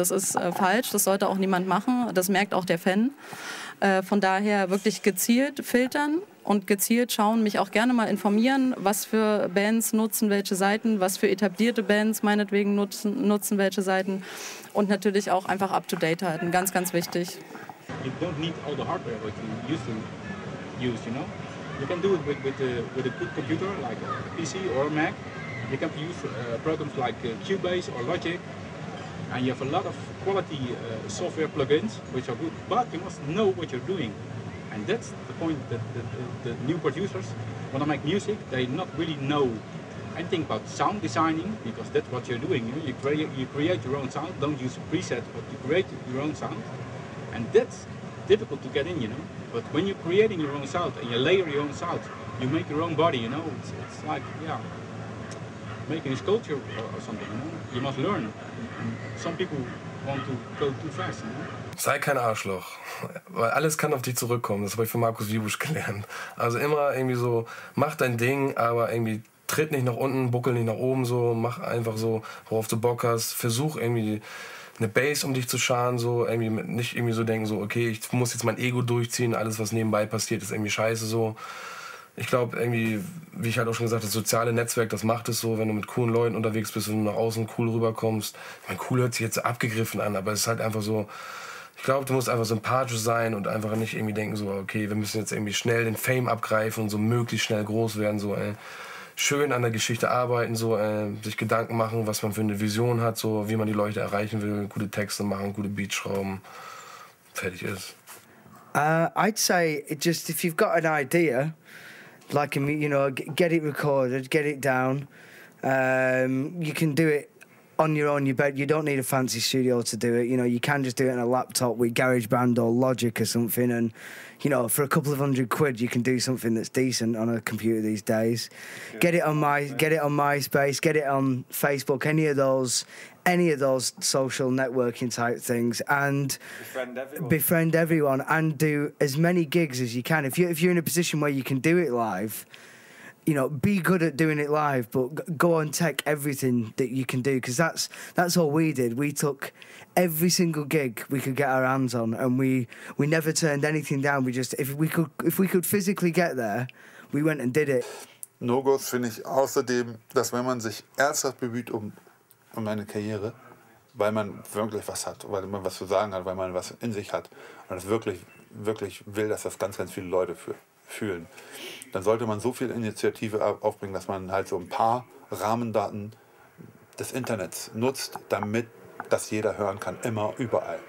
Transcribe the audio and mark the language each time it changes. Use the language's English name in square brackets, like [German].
[German] Das ist falsch, das sollte auch niemand machen. Das merkt auch der Fan. Von daher wirklich gezielt filtern und gezielt schauen, mich auch gerne mal informieren, was für Bands nutzen welche Seiten, was für etablierte Bands meinetwegen nutzen welche Seiten und natürlich auch einfach up to date halten, ganz ganz wichtig. [English] You don't need all the hardware that you used, you know. You can do it with a good computer like a PC or a Mac. You can use programs like Cubase or Logic, and you have a lot of quality software plugins which are good. But you must know what you're doing. And that's the point that the new producers, when they make music, they not really know anything about sound designing, because that's what you're doing. You create your own sound, don't use a preset, but you create your own sound. And that's difficult to get in, you know. But when you're creating your own sound and you layer your own sound, you make your own body, you know. It's like, yeah, making a sculpture or something, you know. You must learn. Some people want to go too fast, you know. [German] Sei kein Arschloch, weil alles kann auf dich zurückkommen. Das habe ich von Markus Wiebusch gelernt. Also immer irgendwie so, mach dein Ding, aber irgendwie tritt nicht nach unten, buckel nicht nach oben so, mach einfach so, worauf du Bock hast. Versuch irgendwie eine Base um dich zu scharen, so irgendwie nicht irgendwie so denken, so okay, ich muss jetzt mein Ego durchziehen, alles was nebenbei passiert, ist irgendwie scheiße so. Ich glaube irgendwie, wie ich halt auch schon gesagt habe, das soziale Netzwerk, das macht es so, wenn du mit coolen Leuten unterwegs bist und nach außen cool rüberkommst. Ich meine, cool hört sich jetzt abgegriffen an, aber es ist halt einfach so. Ich glaube, du musst einfach sympathisch sein und einfach nicht irgendwie denken, so, okay, wir müssen jetzt irgendwie schnell den Fame abgreifen und so möglichst schnell groß werden, so, schön an der Geschichte arbeiten, so, sich Gedanken machen, was man für eine Vision hat, so, wie man die Leute erreichen will, gute Texte machen, gute Beats schrauben, fertig ist. [English] I'd say, just if you've got an idea, like, you know, get it recorded, get it down, you can do it on your own, you don't need a fancy studio to do it. You know, you can just do it on a laptop with GarageBand or Logic or something. And, you know, for a couple of hundred quid, you can do something that's decent on a computer these days. Yeah. Get it on MySpace, get it on Facebook, any of those social networking type things, and befriend everyone and do as many gigs as you can. If you're in a position where you can do it live, you know, be good at doing it live, but go and take everything that you can do, because that's all we did. We took every single gig we could get our hands on, and we never turned anything down. We just, if we could physically get there, we went and did it. [German] No-Gos finde ich außerdem, dass wenn man sich ernsthaft bemüht um eine Karriere, weil man wirklich was hat, weil man was zu sagen hat, weil man was in sich hat und das wirklich, wirklich will, dass das ganz, ganz viele Leute fühlen, dann sollte man so viel Initiative aufbringen, dass man halt so ein paar Rahmendaten des Internets nutzt, damit das jeder hören kann, immer, überall.